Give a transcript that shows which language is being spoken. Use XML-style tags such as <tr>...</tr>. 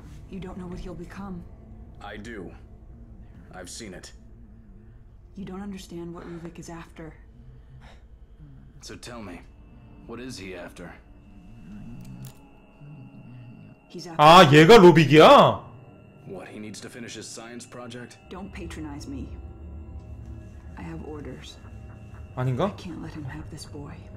<en>You don't know what he'll become. I do. I've seen it. You don't understand what Ruvik is after. So tell me, what is he after? He's after.</en> <ko>아, 얘가 루빅이야?</ko> <en>What he needs to finish his science project? Don't patronize me. I have orders.</en> <ko>아닌가?</ko> <en>I can't let him have this boy.</en>